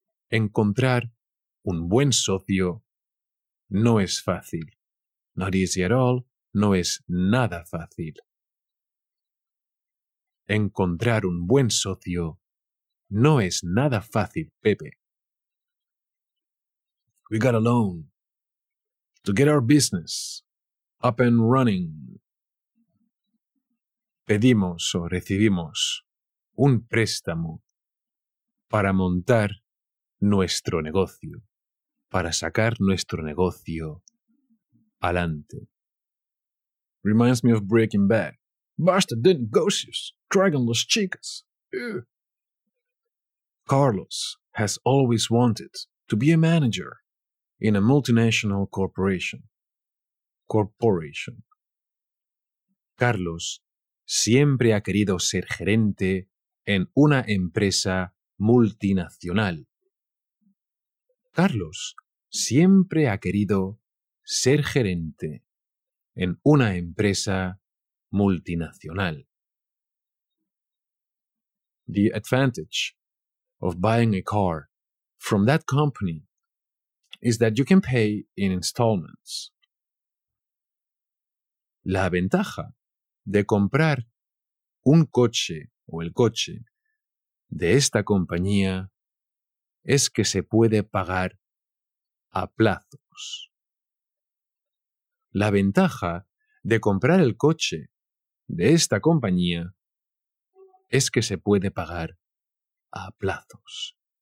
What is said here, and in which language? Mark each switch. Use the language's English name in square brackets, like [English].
[Spanish] Encontrar un buen socio no es fácil. [English] Not easy at all. [Spanish] No es nada fácil. Encontrar un buen socio no es nada fácil, Pepe. [English] We got a loan to get our business up and running. [Spanish] Pedimos o recibimos un préstamo para montar nuestro negocio, para sacar nuestro negocio adelante. [English] Reminds me of Breaking Bad. [Spanish] Bastard de negocios, dragon los chicas. [English] Carlos has always wanted to be a manager in a multinational corporation. Corporation. [Spanish] Carlos siempre ha querido ser gerente en una empresa multinacional. Carlos siempre ha querido ser gerente en una empresa multinacional. [English] The advantage of buying a car from that company is that you can pay in installments. [Spanish] La ventaja de comprar un coche o el coche de esta compañía es que se puede pagar a plazos. La ventaja de comprar el coche de esta compañía es que se puede pagar a plazos.